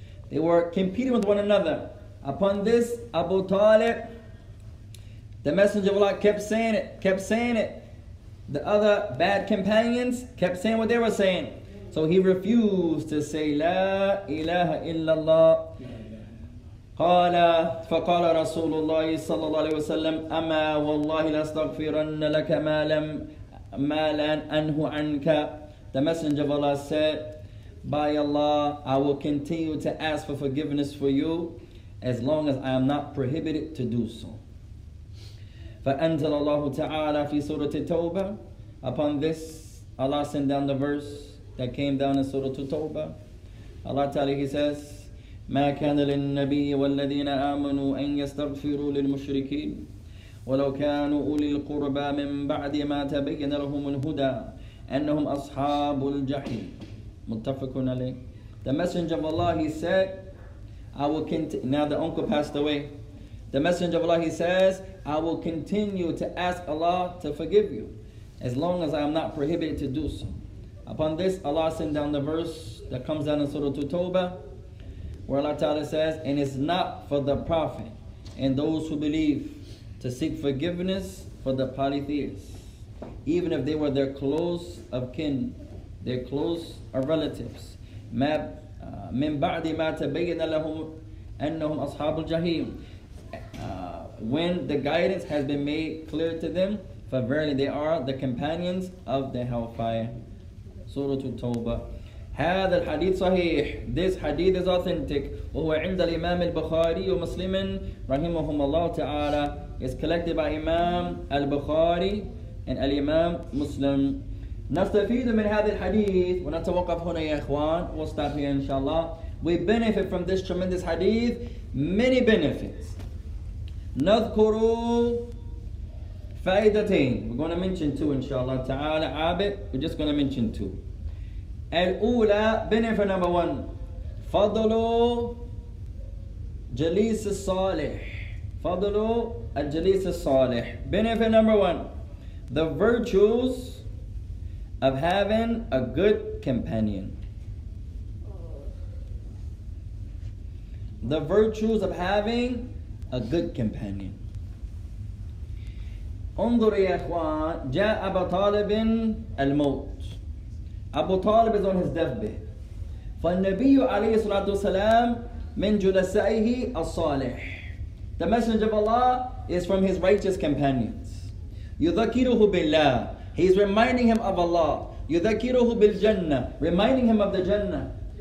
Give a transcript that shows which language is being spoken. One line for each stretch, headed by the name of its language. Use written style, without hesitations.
English: They were competing with one another. Upon this, Abu Talib, the Messenger of Allah kept saying it. The other bad companions kept saying what they were saying. So he refused to say La ilaha illallah.
Arabic: قال فقال رسول الله صلى الله عليه وسلم أما والله لأستغفرن لك ما لم ما لن أنه عنك.
English: The Messenger of Allah said, by Allah, I will continue to ask for forgiveness for you as long as I am not prohibited to do so.
Arabic: فأنزل الله تعالى في سورة التوبة.
English: Upon this, Allah sent down the verse that came down in Surah At-Tawbah. Allah Ta'ala, He says,
Arabic: مَا كَانَ لِلنَّبِيِّ وَالَّذِينَ آمَنُوا أَنْ يَسْتَغْفِرُوا لِلْمُشْرِكِينَ وَلَوْ كَانُوا أُولِي الْقُرْبَى مِنْ بَعْدِ مَا تَبَيَّنَ لَهُمُ الْهُدَى أَنَّهُمْ أَصْحَابُ الْجَحِيمِ. مُتَّفَقٌ عَلَيْهِ.
English: The Messenger of Allah, he said, I will continue. Now the uncle passed away. The Messenger of Allah, he says, I will continue to ask Allah to forgive you as long as I am not prohibited to do so. Upon this, Allah sent down the verse that comes down in Surah At-Tawbah, where Allah Ta'ala says, and it's not for the Prophet and those who believe to seek forgiveness for the polytheists, even if they were their close of kin, their close of relatives.
Arabic: مِن بَعْدِ مَا تَبَيَّنَ لَهُمْ أَنَّهُمْ أَصْحَابُ الْجَحِيمِ.
English: When the guidance has been made clear to them, for verily they are the companions of the hellfire.
Arabic: Surah At-Tawbah. هذا الحديث صحيح.
English: This hadith is authentic.
Arabic: وهو عند الإمام البخاري ومسلم رحمهم الله تعالى.
English: It's collected by Imam al-Bukhari and al-Imam Muslim.
Arabic: نستفيد من هذا الحديث ونتوقف هنا يا إخوان.
English: We'll stop here inshallah. We benefit from this tremendous hadith. Many benefits.
Arabic: نذكر فائدتين.
English: We're going to mention two inshallah.
Arabic: تعالى عابد.
English: We're just going to mention two.
Arabic: الأولى,
English: benefit number one,
Arabic: فضل جليس الصالح. فضل الجليس الصالح.
English: Benefit number one, the virtues of having a good companion. The virtues of having a good companion.
Arabic: انظر يا إخوان, جاء أبو طالب الموت.
English: Abu Talib is on his deathbed.
Arabic: فَالنَّبِيُّ عَلَيْهِ صَلَاةُ وَسَلَامُ مِنْ جُلَسَائِهِ الصَّالِحِ.
English: The Messenger of Allah is from his righteous companions.
Arabic: يُذَكِّرُهُ بِاللَّهِ,
English: he's reminding him of Allah.
Arabic: يُذَكِّرُهُ بِالْجَنَّةِ,
English: reminding him of the Jannah.